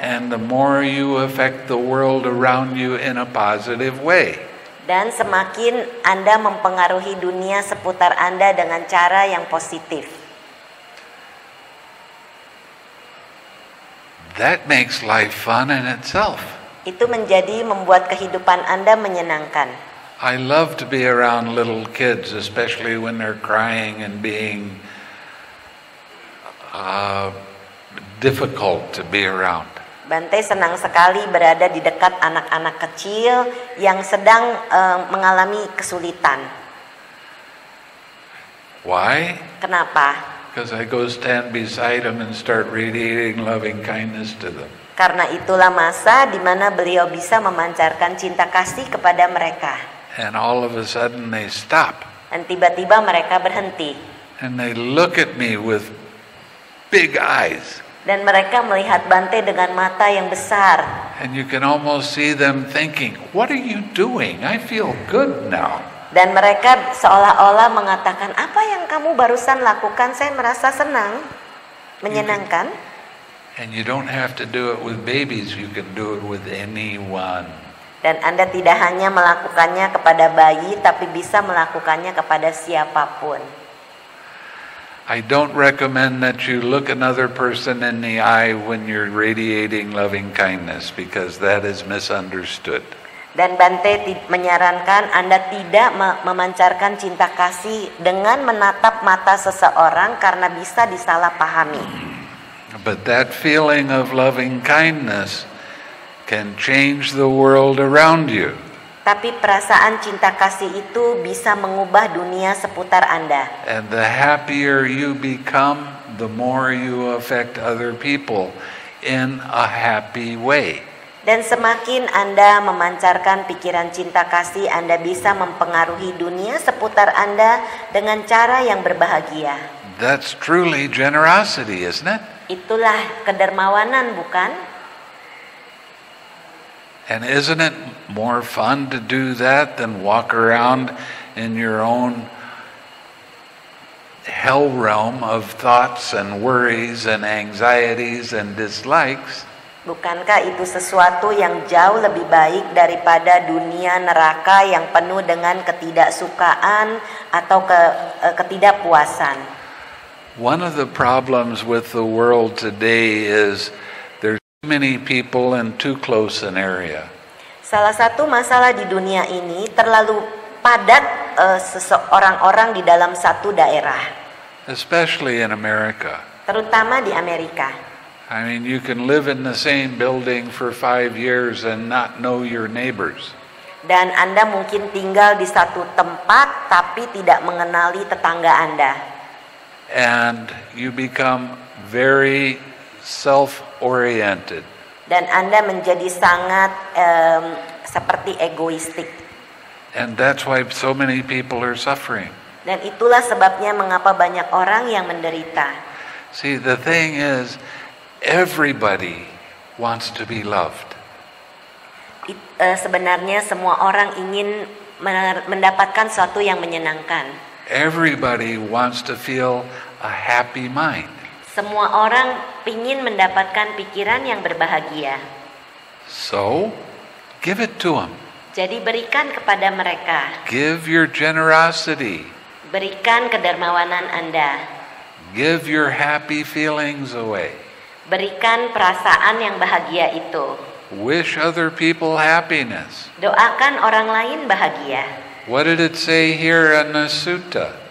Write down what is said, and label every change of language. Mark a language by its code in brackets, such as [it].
[en] And the more you affect the world around you in a positive way. [id] Dan semakin Anda mempengaruhi dunia seputar Anda dengan cara yang positif. [en] That makes life fun in itself. [id] Itu menjadi membuat kehidupan Anda menyenangkan. [en] I love to be around little kids, especially when they're crying and being difficult to be around. [id] Bante senang sekali berada di dekat anak-anak kecil yang sedang mengalami kesulitan. [en] Why? [id] Kenapa? [en] Because I go stand beside them and start radiating loving kindness to them. [id] Karena itulah masa di mana beliau bisa memancarkan cinta kasih kepada mereka. [en] And all of a sudden they stop. [id] Dan tiba-tiba mereka berhenti. [en] And they look at me with big eyes. [id] Dan mereka melihat Bante dengan mata yang besar. [en] And you can almost see them thinking, "What are you doing? I feel good now." [id] Dan mereka seolah-olah mengatakan, "Apa yang kamu barusan lakukan? Saya merasa senang, menyenangkan." [en] And you don't have to do it with babies, you can do it with anyone. [id] Dan Anda tidak hanya melakukannya kepada bayi, tapi bisa melakukannya kepada siapapun. [en] I don't recommend that you look another person in the eye when you're radiating loving kindness, because that is misunderstood. [id] Dan Bante menyarankan Anda tidak memancarkan cinta kasih dengan menatap mata seseorang karena bisa disalahpahami. [en] But that feeling of loving kindness can change the world around you. [id] Tapi perasaan cinta kasih itu bisa mengubah dunia seputar Anda. [en] And the happier you become, the more you affect other people in a happy way. [id] Dan semakin Anda memancarkan pikiran cinta kasih, Anda bisa mempengaruhi dunia seputar Anda dengan cara yang berbahagia. [en] That's truly generosity, isn't it? [id] Itulah kedermawanan, bukan? [en] And isn't it more fun to do that than walk around in your own hell realm of thoughts and worries and anxieties and dislikes? [id] Bukankah itu sesuatu yang jauh lebih baik daripada dunia neraka yang penuh dengan ketidaksukaan atau ketidakpuasan? [en] One of the problems with the world today is there's too many people in too close an area. [id] Salah satu masalah di dunia ini terlalu padat orang-orang di dalam satu daerah. [en] Especially in America. [id] Terutama di Amerika. [en] I mean, you can live in the same building for 5 years and not know your neighbors. [id] Dan Anda mungkin tinggal di satu tempat tapi tidak mengenali tetangga Anda. [en] And you become very self-oriented. [id] Dan Anda menjadi sangat seperti egoistik. [en] And that's why so many people are suffering. [id] Dan itulah sebabnya mengapa banyak orang yang menderita. [en] See, the thing is, everybody wants to be loved. [id] Sebenarnya semua orang ingin mendapatkan sesuatu yang menyenangkan. [en] Everybody wants to feel a happy mind. [id] Semua orang ingin mendapatkan pikiran yang berbahagia. [en] So, give it to them. [id] Jadi berikan kepada mereka. [en] Give your generosity. [id] Berikan kedermawanan Anda. [en] Give your happy feelings away. [id] Berikan perasaan yang bahagia itu. [en] Wish other people happiness. [id] Doakan orang lain bahagia. [en] What did it say here in the sutta?